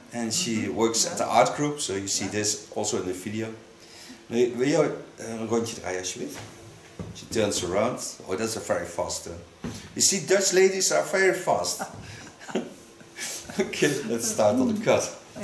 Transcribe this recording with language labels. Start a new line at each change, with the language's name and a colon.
English: And she works at the art group, so you see this also in the video.
Dutch: Wil je een rondje draaien alsjeblieft?
English: She turns around. Oh, that's a very fast turn. You see, Dutch ladies are very fast. Okay, let's start on the cut.